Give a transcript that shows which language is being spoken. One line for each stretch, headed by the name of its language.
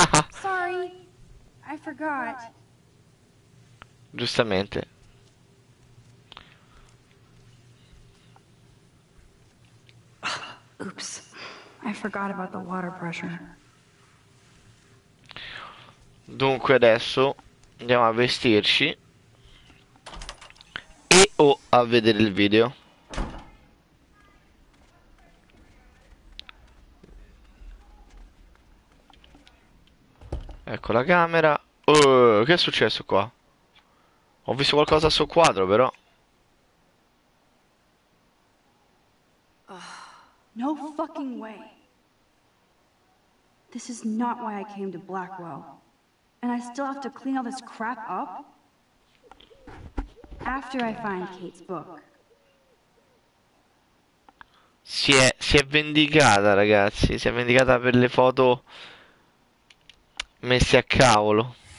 English: Sorry, I forgot.
Italian: Giustamente.
English: Oops, I forgot about the water pressure.
Italian: Dunque adesso andiamo a vestirci e o a vedere il video. Ecco la camera. Che è successo qua? Ho visto qualcosa sul quadro però.
English: No fucking way. This is not why I came to Blackwell. And I still have to clean all this crap up? After I find Kate's book,
Italian: Si è vendicata, ragazzi. Si è vendicata per le foto messe a cavolo.